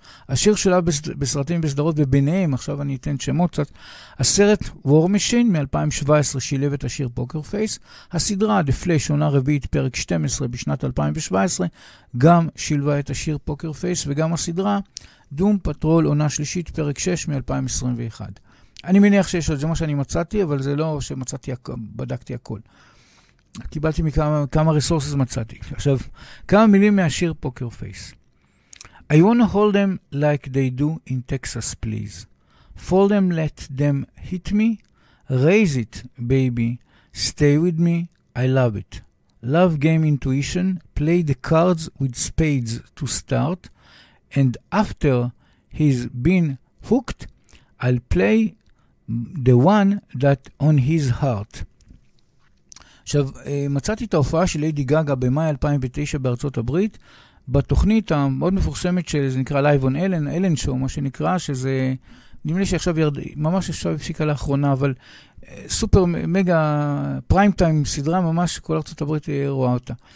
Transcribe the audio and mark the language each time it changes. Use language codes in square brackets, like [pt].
[he] השיר שלה בסרטים בסדרות וביניהם, עכשיו אני אתן שמות קצת, הסרט War Machine מ-2017 שילב את השיר Poker Face, הסדרה The Flash עונה רביעית פרק 12 בשנת 2017, גם שילבה את השיר Poker Face, וגם הסדרה Doom Patrol עונה שלישית פרק 6 מ-2021. אני מניח שיש עוד, זה מה שאני מצאתי, אבל זה לא שמצאתי, בדקתי הכל. קיבלתי מכמה resources מצאתי. עכשיו, כמה מילים מהשיר Poker Face. [en] I want to hold them like they do in Texas, please. Fold them, let them hit me. Raise it, baby. Stay with me. I love it. Love Game Intuition, Play the Cards with Spades to start, and after he's been hooked, I'll play the one that on his heart. [he] עכשיו, מצאתי את ההופעה של לידי גאגא במאי 2009 בארצות הברית, בתוכנית המאוד מפורסמת שזה נקרא Live on Ellen, Ellen Show, מה שנקרא, שזה, נראה לי שעכשיו ירד, ממש עכשיו הפסיקה לאחרונה, אבל סופר מגה פריים טיים סדרה ממש כל ארצות הברית רואה אותה.